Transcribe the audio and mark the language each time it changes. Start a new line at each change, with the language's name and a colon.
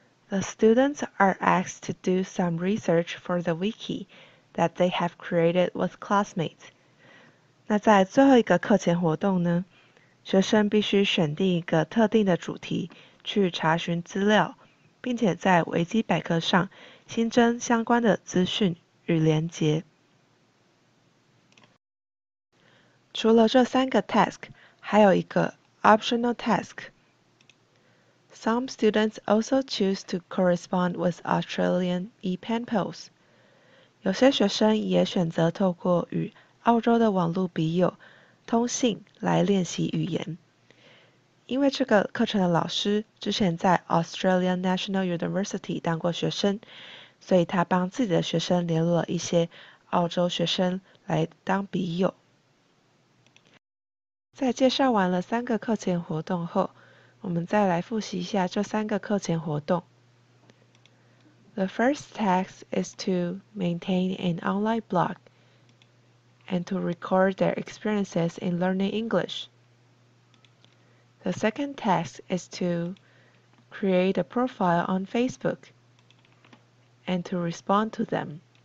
English: The students are asked to do some research for the wiki that they have created with classmates.
Chinese: 那在最后一个课前活动呢，学生必须选定一个特定的主题去查询资料，并且在维基百科上新增相关的资讯与连结。除了这三个 task， 还有一个Optional task.
English: Some students also choose to correspond with Australian e-pen pals.
Chinese: 有些学生也选择透过与澳洲的网络笔友通信来练习语言。因为这个课程的老师之前在 Australian National University 当过学生，所以他帮自己的学生联络了一些澳洲学生来当笔友。在介绍完了三个课前活动后，我们再来复习一下这三个课前活动。
English: The first task is to maintain an online blog and to record their experiences in learning English. The second task is to create a profile on Facebook and to respond to them.